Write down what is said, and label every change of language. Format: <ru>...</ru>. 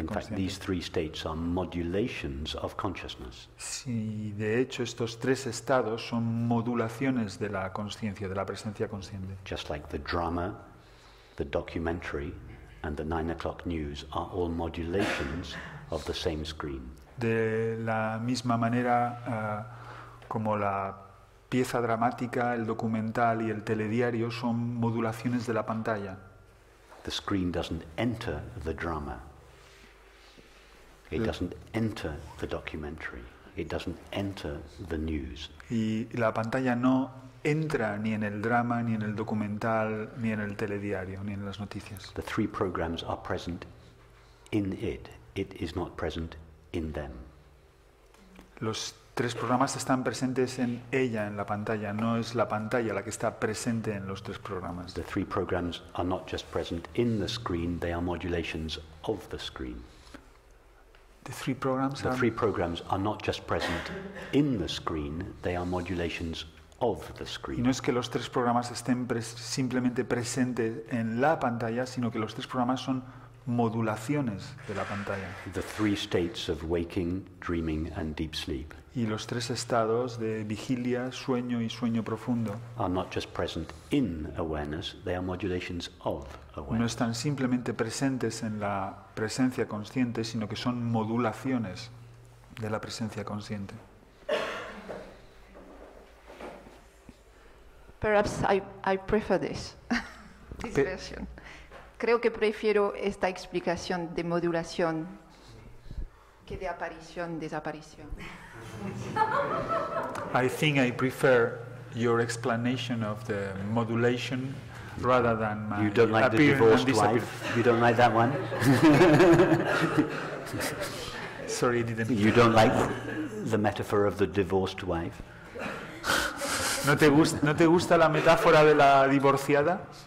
<en>in</en> <es>consciente.</es> <en>In fact, these three states are modulations of consciousness.</en> <es>Sí, de hecho, estos tres estados son modulaciones de la consciencia, de la presencia consciente.</es> <en>Just like the drama, the documentary, and the 9 o'clock news are all modulations of the same screen.</en> <es>De la misma manera, como la pieza dramática, el documental y el telediario son modulaciones de la pantalla.</es> <en>The screen doesn't enter the drama. It doesn't enter the documentary. It doesn't enter the news.</en> <es>Y la pantalla no entra ni en el drama, ni en el documental, ni en el telediario, ni en las noticias.</es> <en>The three programs are present in it. It is not present in them.</en> <es>Los tres programas están presentes en ella, en la pantalla. No es la pantalla la que está presente en los tres programas.</es> <en>The three programs are not just present in the screen, they are modulations of the screen. The three programs are not just present in the screen, they are modulations of the screen.</en> <es>Y no es que los tres programas estén simplemente presentes en la pantalla, sino que los tres programas son modulaciones de la pantalla.</es> <en>The three states of waking, dreaming and deep sleep.</en> <es>Y los tres estados de vigilia, sueño y sueño profundo</es> <en>are not just present in awareness, they are modulations of awareness.</en> <es>No están simplemente presentes en la presencia consciente, sino que son modulaciones de la presencia consciente.</es> <en>Perhaps I prefer this version.</en> <es>Creo que prefiero esta explicación de modulación que de aparición-desaparición.</es> <en>I think I prefer your explanation of the modulation rather than my You don't like the divorced wife? You don't like that one? Sorry, I didn't... You don't like the metaphor of the divorced wife?</en> <es>¿No te gusta la metáfora de la divorciada?</es>